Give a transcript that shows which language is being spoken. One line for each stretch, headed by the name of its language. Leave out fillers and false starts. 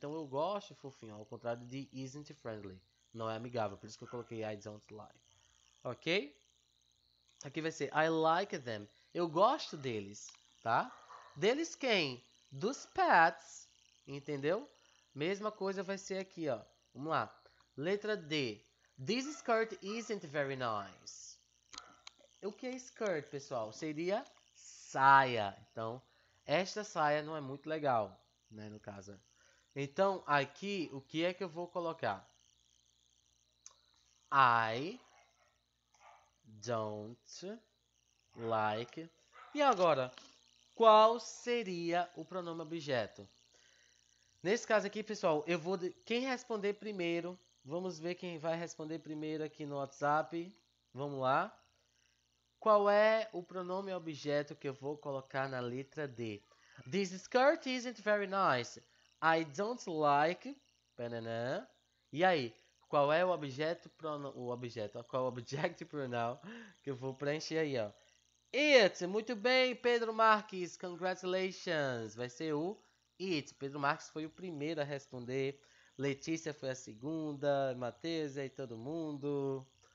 Portuguese: Então, eu gosto de fofinho, ao contrário de
English: isn't friendly.
Portuguese: Não é amigável, por isso que eu coloquei
English: I don't like.
Portuguese: Ok? Aqui vai ser
English: I like them.
Portuguese: Eu gosto deles, tá? Deles quem? Dos pets. Entendeu? Mesma coisa vai ser aqui, ó. Vamos lá. Letra D.
English: This skirt isn't very nice.
Portuguese: O que é skirt, pessoal? Seria saia. Então, esta saia não é muito legal, né, no caso. Então, aqui, o que é que eu vou colocar?
English: I don't like.
Portuguese: E agora, qual seria o pronome objeto? Nesse caso aqui, pessoal, eu vou. Quem responder primeiro? Vamos ver quem vai responder primeiro aqui no WhatsApp. Vamos lá. Qual é o pronome objeto que eu vou colocar na letra D?
English: This skirt isn't very nice. I don't like. Banana.
Portuguese: E aí? Qual é o objeto pronoun, o objeto, qual o
English: object pronoun
Portuguese: que eu vou preencher aí, ó. It, muito bem, Pedro Marques, congratulations. Vai ser o it. Pedro Marques foi o primeiro a responder. Letícia foi a segunda, Matheus e aí todo mundo.